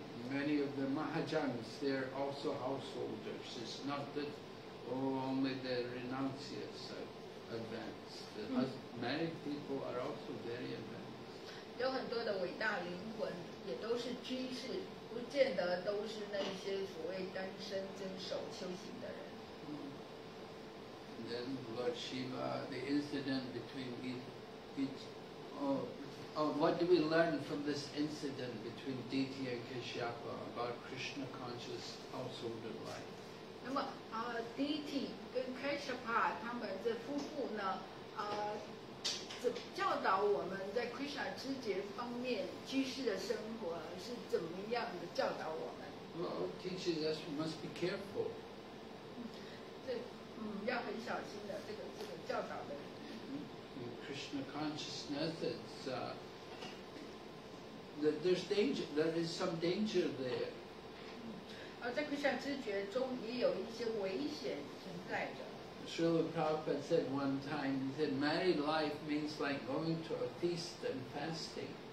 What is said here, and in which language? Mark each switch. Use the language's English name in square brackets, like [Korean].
[English] Many of the Mahajans, they're also householders. It's not that only the renunciates are advanced. The married people are also very advanced. [Chinese] 有很多的伟大灵魂也都是居士，不见得都是那些所谓单身遵守修行的人。 [English] Then Lord Shiva, the incident between each What do we learn from this incident between Diti and Kashyapa about Krishna conscious household of life? [Chinese] 那么，Diti 跟 Kashyapa 他们这夫妇呢，怎教导我们在 Krishna 知觉方面居士的生活是怎么样的教导我们 [English] ？Well, teaches us we must be careful. [Chinese] 要很小心的这个教导的。 [English] Krishna consciousness, it's, there's danger, there is some danger there. [Chinese] 在 Krishna 知觉中也有一些危险存在着。 [English] Srila Prabhupada said one time, he said, married life means like going to a feast and fasting.